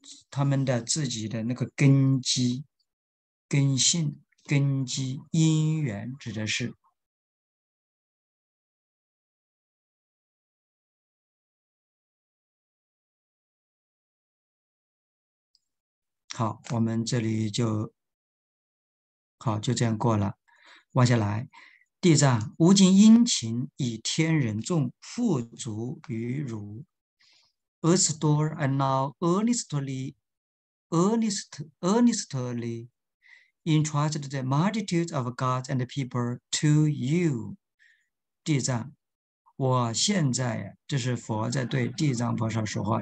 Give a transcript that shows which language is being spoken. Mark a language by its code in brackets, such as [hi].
[zh] 他们的自己的那个根基根性根基因缘指的是好，我们这里就好，就这样过了。往下来，地藏，吾今殷勤以天人众付嘱于汝。 [en] Earnestly and now earnestly entrusted the multitudes of gods and people to you。 [zh] 地藏，我现在，这是佛在对地藏菩萨说话。